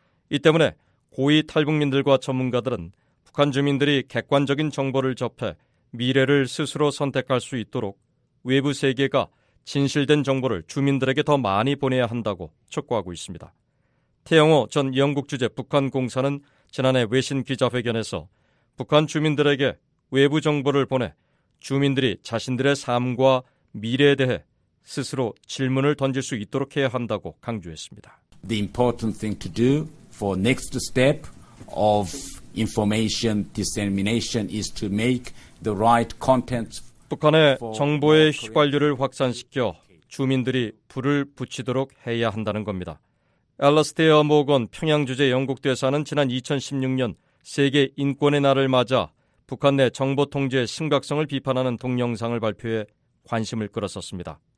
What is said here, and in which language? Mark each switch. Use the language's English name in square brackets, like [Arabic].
[Korean] 이 때문에 고위 탈북민들과 전문가들은 북한 주민들이 객관적인 정보를 접해 미래를 스스로 선택할 수 있도록 외부 세계가 진실된 정보를 주민들에게 더 많이 보내야 한다고 촉구하고 있습니다. 태영호 전 영국 주재 북한 공사는 지난해 외신 기자회견에서 북한 주민들에게 외부 정보를 보내 주민들이 자신들의 삶과 미래에 대해 스스로 질문을 던질 수 있도록 해야 한다고 강조했습니다. [English] The important thing to do for next step of information dissemination is to make the right content. [Korean] 북한의 정보의 휘발유를 확산시켜 주민들이 불을 붙이도록 해야 한다는 겁니다. 앨러스테어 모건 평양 주재 영국 대사는 지난 2016년 세계 인권의 날을 맞아 북한 내 정보 통제의 심각성을 비판하는 동영상을 발표해 관심을 끌었었습니다.